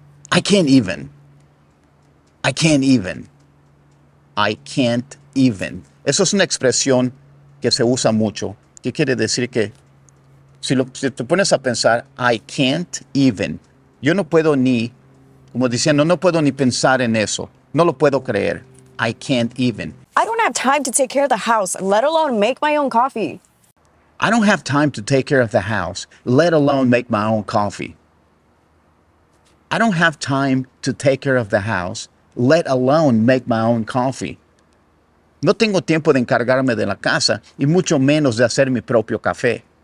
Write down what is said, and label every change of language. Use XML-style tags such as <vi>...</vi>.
<en>I can't even. I can't even. I can't even.</en> <es>Eso es una expresión que se usa mucho. ¿Qué quiere decir que? Si te pones a pensar,</es> <en>I can't even.</en> <es>Yo no puedo ni, como diciendo, no puedo ni pensar en eso. No lo puedo creer.</es> <en>I can't even. I don't have time to take care of the house, let alone make my own coffee. I don't have time to take care of the house, let alone make my own coffee. I don't have time to take care of the house, let alone make my own coffee.</en> <es>No tengo tiempo de encargarme de la casa y mucho menos de hacer mi propio café.</es>